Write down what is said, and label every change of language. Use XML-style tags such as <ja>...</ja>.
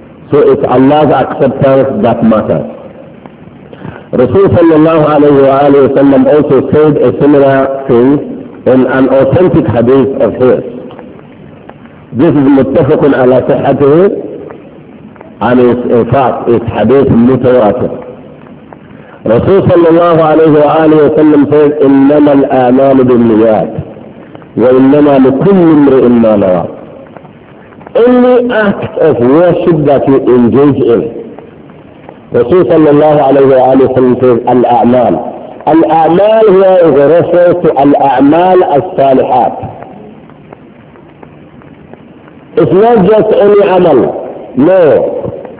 <en>So it's Allah's acceptance that matters. Rasul sallallahu alayhi wa sallam also said a similar thing in an authentic hadith of his. This is muttafaqun ala sahhatihi, and it's in fact it's hadith mutawatir. Rasul sallallahu alayhi wa sallam said,</en> <ar>إِنَّمَا الْآمَالُ بِالنِّيَّاتِ وَإِنَّمَا لِكُلِّ امْرِئٍ مَّا نَوَى.</ar> <en>Any act of worship that you engage in, Rasul sallallahu alayhi wa sallam says, Al-A'mal. Al-A'mal here is a reference to Al-A'mal as-Salihat. It's not just any amal. No.</en>